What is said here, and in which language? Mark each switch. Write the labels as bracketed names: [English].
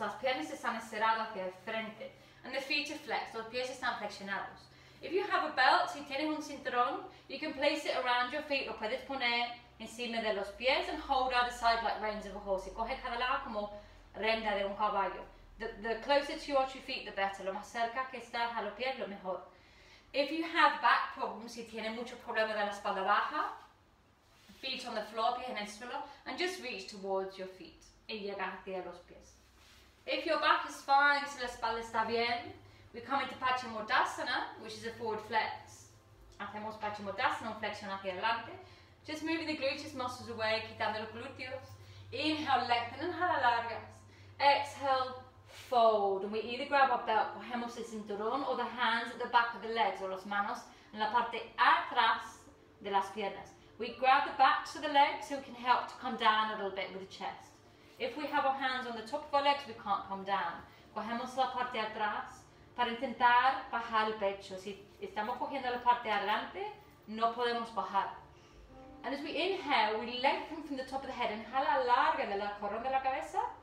[Spanish] Las piernas están estiradas hacia el frente. [English] And the feet are flexed, [Spanish] los pies están flexionados. If you have a belt, si tienes un cinturón, you can place it around your feet, lo puedes poner encima de los pies and hold either side like reins of a horse. Y coge cada lado como renda de un caballo. [English] The closer to you are to your feet, the better. [Spanish] Lo más cerca que estás a los pies, lo mejor. [English] If you have back problems, [Spanish] si tienes mucho problema de la espalda baja, [English] feet on the floor, [Spanish] pies en el suelo, [English] and just reach towards your feet [Spanish] y llega hacia los pies. [English] If your back is fine, [Spanish] si la espalda está bien, [English] we come into Pachimottasana, which is a forward flex. [Spanish] Hacemos Pachimottasana, flexion hacia adelante. [English] Just moving the gluteus muscles away, [Spanish] quitando los glúteos. [English] Inhale, lengthen, inhale, alargas. Exhale, fold, and we either grab our belt, [Spanish] cogemos el cinturón, [English] or the hands at the back of the legs, or [Spanish] las manos en la parte atrás de las piernas. [English] We grab the backs of the legs so we can help to come down a little bit with the chest. If we have our hands on the top of our legs, we can't come down. [Spanish] Cogemos la parte atrás para intentar bajar el pecho. Si estamos cogiendo la parte adelante, no podemos bajar. [English] And as we inhale, we lengthen from the top of the head. [Spanish] Inhala, alarga de la corona de la cabeza.